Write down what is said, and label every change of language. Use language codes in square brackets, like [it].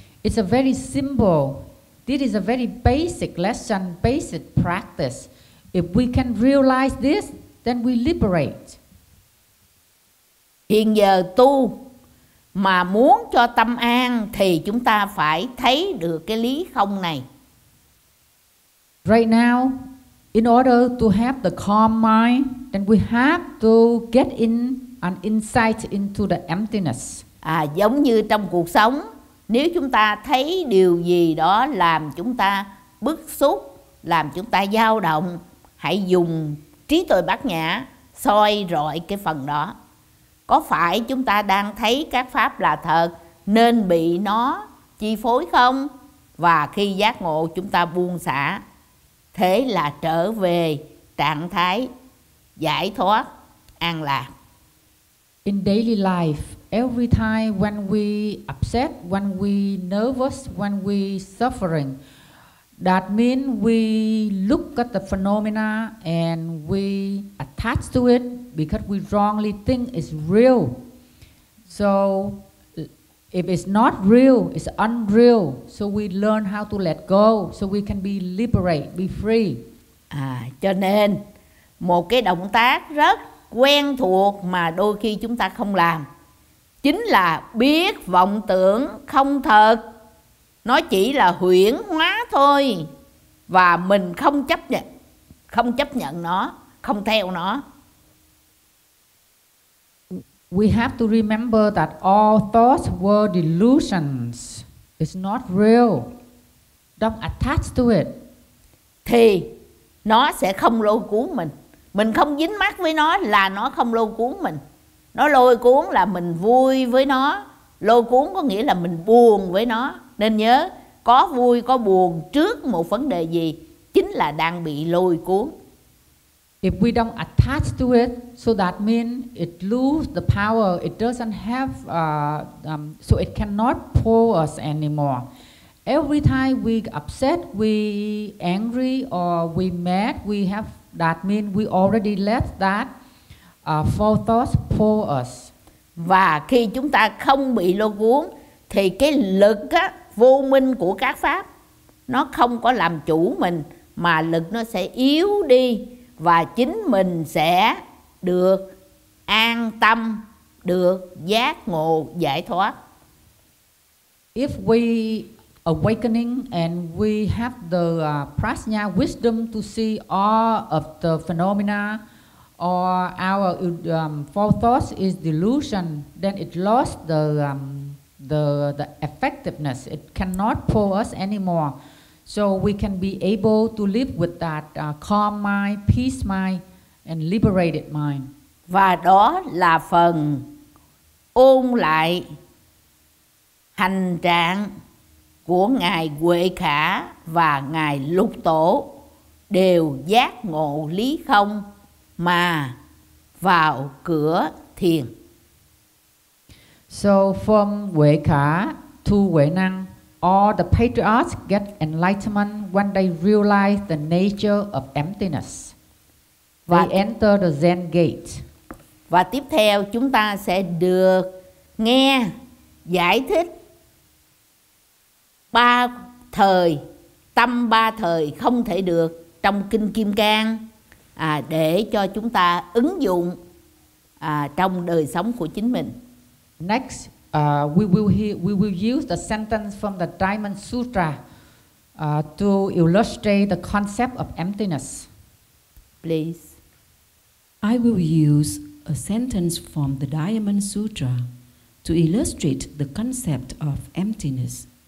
[en] It's a very simple, this is a very basic lesson, basic practice. If we can realize this, then we liberate. [vi] Hiện giờ tu mà muốn cho tâm an thì chúng ta phải thấy được cái lý không này. [en] Right now, in order to have the calm mind, then we have to get in an insight into the emptiness. [vi] Giống như trong cuộc sống, nếu chúng ta thấy điều gì đó làm chúng ta bức xúc, làm chúng ta dao động, hãy dùng trí tuệ Bát Nhã soi rọi cái phần đó. Có phải chúng ta đang thấy các pháp là thật nên bị nó chi phối không? Và khi giác ngộ, chúng ta buông xả, thế là trở về trạng thái giải thoát an lạc. [en] In daily life, every time when we upset, when we nervous, when we suffering, that means we look at the phenomena and we attach to it because we wrongly think it's real. So if it's not real, it's unreal. So we learn how to let go so we can be liberate, be free. [vi] Cho nên một cái động tác rất quen thuộc mà đôi khi chúng ta không làm chính là biết vọng tưởng không thật, nó chỉ là huyễn hóa thôi, và mình không chấp nhận nó, không theo nó. [en] We have to remember that all thoughts were delusions. It's not real. Don't attach to it. [vi] Thì nó sẽ không lôi cuốn mình. Mình không dính mắc với nó là nó không lôi cuốn mình. Nó lôi cuốn là mình vui với nó. Lôi cuốn có nghĩa là mình buồn với nó. Nên nhớ, có vui có buồn trước một vấn đề gì chính là đang bị lôi cuốn. [en] If we don't attach to it, so that means it lose the power, it doesn't have so it cannot pull us anymore. Every time we upset, we angry or we mad, we have, that means we already let that false thoughts pull us. [vi] Và khi chúng ta không bị lôi cuốn thì cái lực á vô minh của các pháp nó không có làm chủ mình, mà lực nó sẽ yếu đi và chính mình sẽ được an tâm được giác ngộ giải thoát. [en] If we awakening and we have the prajna wisdom to see all of the phenomena or our false thoughts is delusion, then it lost the effectiveness. It cannot pull us anymore. So we can be able to live with that calm mind, peace mind, and liberated mind. [vi] Và đó là phần ôn lại hành trạng của Ngài Huệ Khả và Ngài Lục Tổ đều giác ngộ lý không mà vào cửa thiền. [en] So from Huệ Khả to Huệ Năng, all the patriarchs get enlightenment when they realize the nature of emptiness. They enter the Zen gate. [vi] Và tiếp theo chúng ta sẽ được nghe giải thích ba thời, tâm ba thời không thể được trong Kinh Kim Cang để cho chúng ta ứng dụng trong đời sống của chính mình. [en] Next, we will use the sentence from the Diamond Sutra to illustrate the concept of emptiness. Please. I will use a sentence from the Diamond Sutra to illustrate the concept of emptiness.